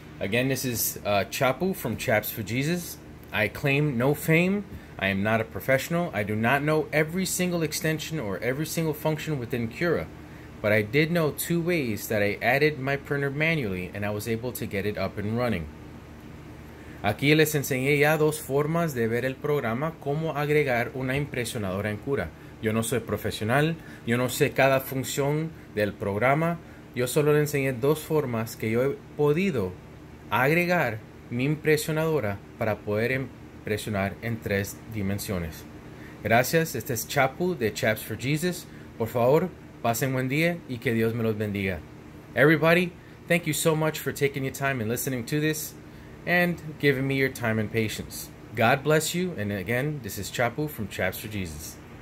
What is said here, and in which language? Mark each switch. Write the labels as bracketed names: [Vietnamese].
[English] Again, this is Chapu from Chaps for Jesus. I claim no fame. I am not a professional. I do not know every single extension or every single function within Cura. But I did know two ways that I added my printer manually and I was able to get it up and running. [Spanish] Aquí les enseñé ya dos formas de ver el programa, cómo agregar una impresionadora en Cura. Yo no soy profesional. Yo no sé cada función del programa. Yo solo le enseñé dos formas que yo he podido agregar mi impresionadora para poder impresionar en tres dimensiones. Gracias, este es Chapu de Chaps for Jesus. Por favor, pasen buen día y que Dios me los bendiga. [English] Everybody, thank you so much for taking your time and listening to this and giving me your time and patience. God bless you, and again, this is Chapu from Chaps for Jesus.